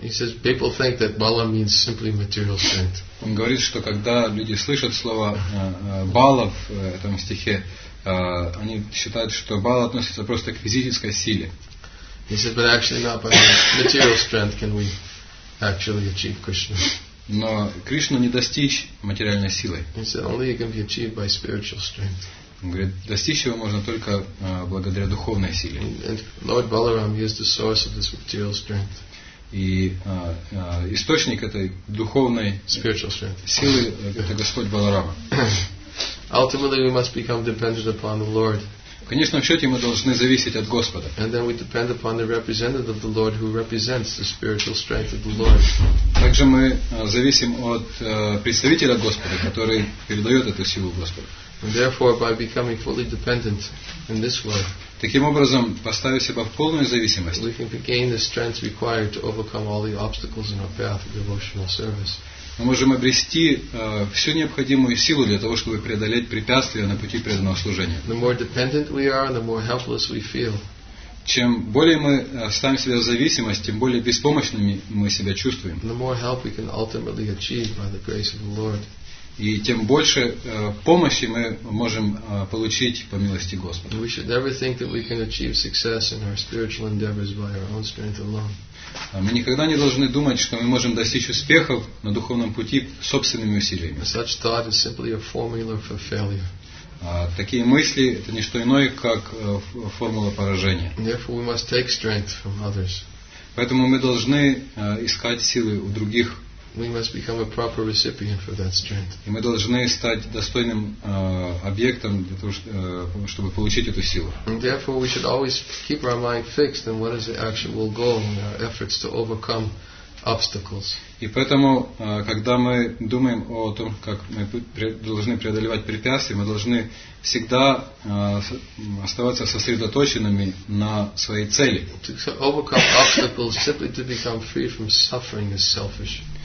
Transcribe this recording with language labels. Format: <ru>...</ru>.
<en>He says people think that bala means simply material strength.</en> <ru>Он говорит, что когда люди слышат слово бала в этом стихе, они считают, что бала относится просто к физической силе.</ru> <en>He says, but actually not by material strength can we actually achieve Krishna.</en> <ru>Но Кришну не достичь материальной силой.</ru> <en>He says, only it can be achieved by spiritual strength.</en> <ru>Он говорит, достичь его можно только благодаря духовной силе.</ru> <en>And Lord Balaram is the source of this material strength.</en> <ru>И источник этой духовной</ru> <en>spiritual strength</en> <ru>силы это Господь Баларама.</ru> <en>Ultimately, we must become dependent upon the Lord.</en> <ru>В конечном счете мы должны зависеть от Господа.</ru> <en>And then we depend upon the representative of the Lord, who represents the spiritual strength of the Lord.</en> <ru>Также мы зависим от представителя Господа, который передает эту силу Господу.</ru> <en>And therefore, by becoming fully dependent in this way,</en> <ru>таким образом, поставив себя в полную зависимость,</ru> <en>we can gain the strength required to overcome all the obstacles in our path of devotional service.</en> <ru>Мы можем обрести всю необходимую силу для того, чтобы преодолеть препятствия на пути преданного служения.</ru> <en>The more dependent we are, the more helpless we feel.</en> <ru>Чем более мы ставим себя в зависимость, тем более беспомощными мы себя чувствуем.</ru> <en>The more help we can ultimately achieve by the grace of the Lord.</en> <ru>И тем больше помощи мы можем получить по милости Господа.</ru> <en>We should never think that we can achieve success in our spiritual endeavors by our own strength alone.</en> <ru>Мы никогда не должны думать, что мы можем достичь успехов на духовном пути собственными усилиями.</ru> <en>Such thought is simply a formula for failure.</en> <ru>Такие мысли – это не что иное, как формула поражения.</ru> <en>Therefore, we must take strength from others.</en> <ru>Поэтому мы должны искать силы у других.</ru> <en>We must become a proper recipient for that strength.</en> <ru>И мы должны стать достойным объектом для того, чтобы получить эту силу.</ru> <en>And therefore, we should always keep our mind fixed on what is the actual goal in our efforts to overcome obstacles.</en> <ru>И поэтому, когда мы думаем о том, как мы должны преодолевать препятствия, мы должны всегда оставаться сосредоточенными на своей цели.</ru> <en>To overcome obstacles simply to become free from suffering is selfish.</en>